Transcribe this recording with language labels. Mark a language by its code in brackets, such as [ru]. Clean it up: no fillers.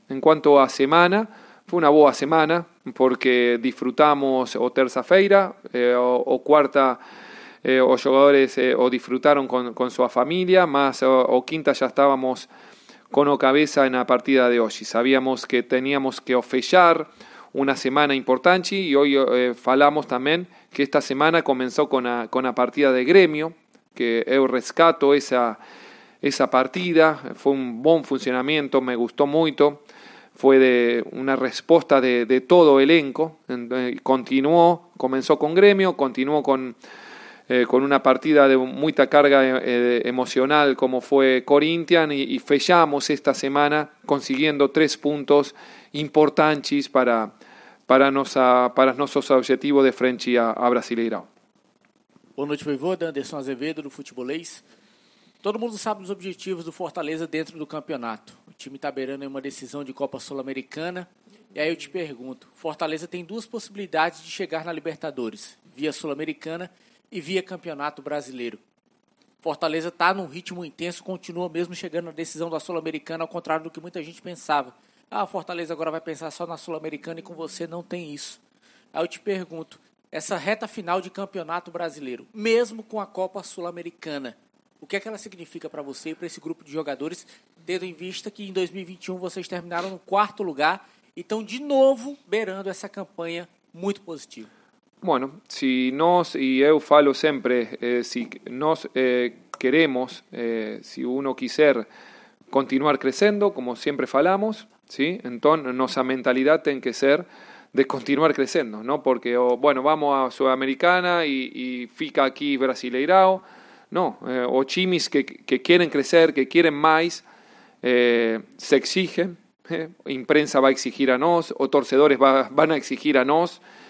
[pt] Em quanto à semana, foi uma boa semana, porque disfrutamos o terça-feira, o quarta, os jogadores o disfrutaram com sua família, mas o quinta já estávamos [es] con la cabeza en la partida de hoy. Sabíamos que teníamos que fechar una semana importante, y hoy falamos también que esta semana comenzó con a partida de Grêmio, que eu rescato esa partida, fue un buen funcionamiento, me gustó mucho, fue de una respuesta de todo elenco, continuó, comenzó con Grêmio, continuó con una partida de mucha carga emocional como fue Corinthians, y fechamos esta semana consiguiendo 3 puntos importantes para nuestros objetivos de frente a Brasileirão. [pt] Boa noite, Voivoda. Anderson Azevedo, do Futebolês. Todo mundo sabe os objetivos do Fortaleza dentro do campeonato. O time está beirando uma decisão de Copa Sul-Americana. E aí eu te pergunto, Fortaleza tem duas possibilidades de chegar na Libertadores, via Sul-Americana e via Campeonato Brasileiro. Fortaleza está num ritmo intenso, continua mesmo chegando na decisão da Sul-Americana, ao contrário do que muita gente pensava. Ah, Fortaleza agora vai pensar só na Sul-Americana, e com você não tem isso. Aí eu te pergunto, essa reta final de Campeonato Brasileiro, mesmo com a Copa Sul-Americana, o que é que ela significa para você e para esse grupo de jogadores, tendo em vista que em 2021 vocês terminaram no quarto lugar e estão de novo beirando essa campanha muito positiva? [es] Bueno, si nos, y yo falo siempre, si nos queremos, si uno quiser continuar creciendo, como siempre falamos, ¿sí? Entonces nuestra mentalidad tiene que ser de continuar creciendo, ¿no? Porque, bueno, vamos a Sudamericana y fica aquí Brasileirão, no, o chimis que quieren crecer, que quieren más, se exigen, imprensa va a exigir a nos, o torcedores van a exigir a nos.